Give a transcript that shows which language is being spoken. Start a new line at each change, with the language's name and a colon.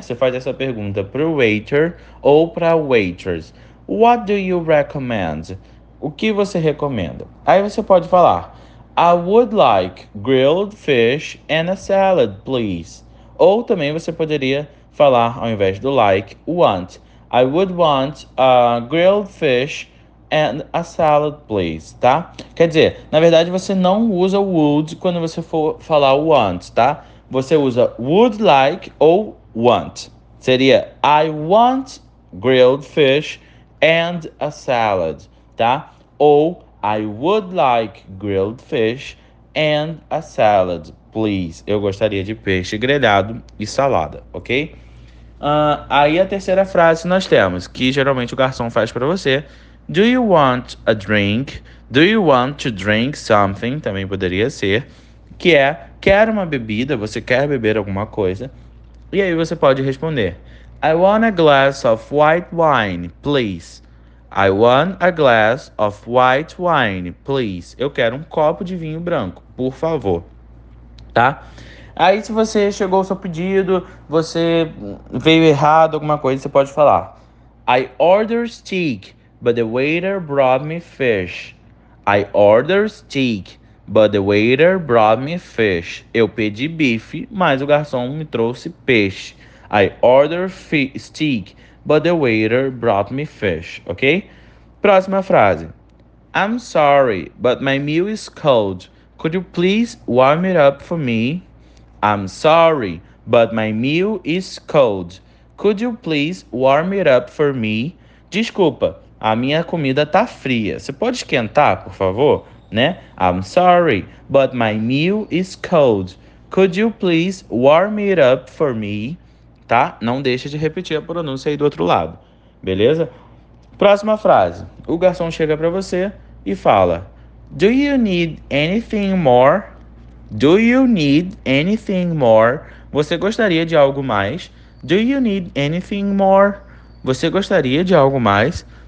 Portuguese: Você faz essa pergunta para o waiter ou para a waitress.
English: What do you recommend?
Portuguese: O que você recomenda? Aí você pode falar:
English: I would like grilled fish and a salad, please.
Portuguese: Ou também você poderia falar, ao invés do like, want.
English: I would want a grilled fish and a salad, please, tá?
Portuguese: Quer dizer, na verdade você não usa would quando você for falar want, tá? Você usa would like ou want. Seria
English: I want grilled fish and a salad, tá? Ou I would like grilled fish and a salad, please.
Portuguese: Eu gostaria de peixe grelhado e salada, ok? Aí a terceira frase nós temos, que geralmente o garçom faz para você:
English: Do you want a drink? Do you want to drink something?
Portuguese: Também poderia ser. Que é: Quer uma bebida? Você quer beber alguma coisa? E aí você pode responder:
English: I want a glass of white wine, please. I want a glass of white wine, please.
Portuguese: Eu quero um copo de vinho branco, por favor. Tá? Aí, se você chegou o seu pedido, você veio errado, alguma coisa, você pode falar:
English: I ordered steak, but the waiter brought me fish. I ordered steak, but the waiter brought me fish.
Portuguese: Eu pedi bife, mas o garçom me trouxe peixe.
English: I ordered steak, but the waiter brought me fish, ok?
Portuguese: Próxima frase.
English: I'm sorry, but my meal is cold. Could you please warm it up for me? I'm sorry, but my meal is cold. Could you please warm it up for me?
Portuguese: Desculpa, a minha comida tá fria. Você pode esquentar, por favor, né?
English: I'm sorry, but my meal is cold. Could you please warm it up for me?
Portuguese: Tá? Não deixa de repetir a pronúncia aí do outro lado. Beleza? Próxima frase. O garçom chega para você e fala:
English: Do you need anything more? Do you need anything more?
Portuguese: Você gostaria de algo mais?
English: Do you need anything more?
Portuguese: Você gostaria de algo mais?